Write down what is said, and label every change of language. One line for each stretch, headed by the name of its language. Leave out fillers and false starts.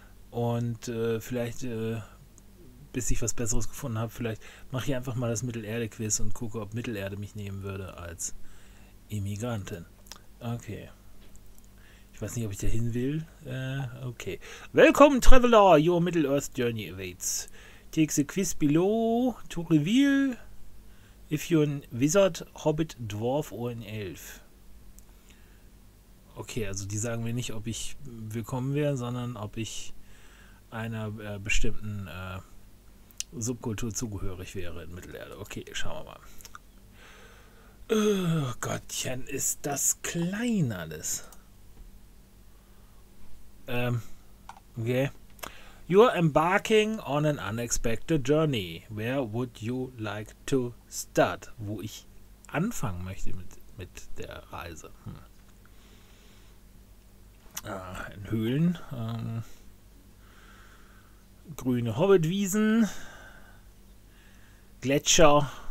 German: Und vielleicht, bis ich was Besseres gefunden habe, vielleicht mache ich einfach mal das Mittelerde-Quiz und gucke, ob Mittelerde mich nehmen würde als Immigrantin. Okay. Ich weiß nicht, ob ich da hin will.
English: Okay. Welcome, Traveler. Your Middle-Earth Journey awaits. Take the quiz below to reveal if you're a Wizard, Hobbit, Dwarf or an Elf.
German: Okay, also die sagen mir nicht, ob ich willkommen wäre, sondern ob ich einer bestimmten Subkultur zugehörig wäre in Mittelerde. Okay, schauen wir mal. Oh Gottchen, ist das klein alles. Okay.
English: You're embarking on an unexpected journey. Where would you like to start?
German: Wo ich anfangen möchte mit der Reise. In Höhlen. Grüne Hobbitwiesen. Gletscher.